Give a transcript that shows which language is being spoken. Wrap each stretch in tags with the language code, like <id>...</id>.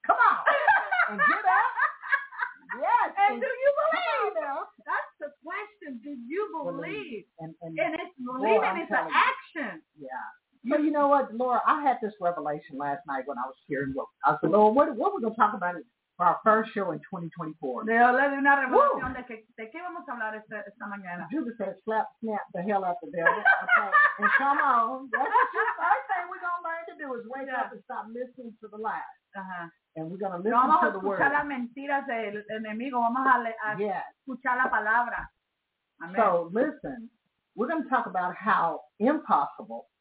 <en>Come on. And get up. Yes. And do you believe? Come on now. That's the question. Do you believe? And it's believing. It's an action. Yeah. But you know what, Laura, I had this revelation last night when I was hearing what I said, Laura, what are we going to talk about for our first show in 2024?</en> <es>Le doy una revelación de qué vamos a hablar esta mañana.</es> <en>Judas said, slap, snap the hell out of there. Okay. And come on, that's the first thing we're going to learn to do is wake yeah. up and stop listening to the lies. Uh-huh. And we're going to listen to the word.</en> <es>Vamos a escuchar las mentiras del enemigo. Vamos a escuchar la palabra.</es> <en>So listen, we're going to talk about how impossible</en>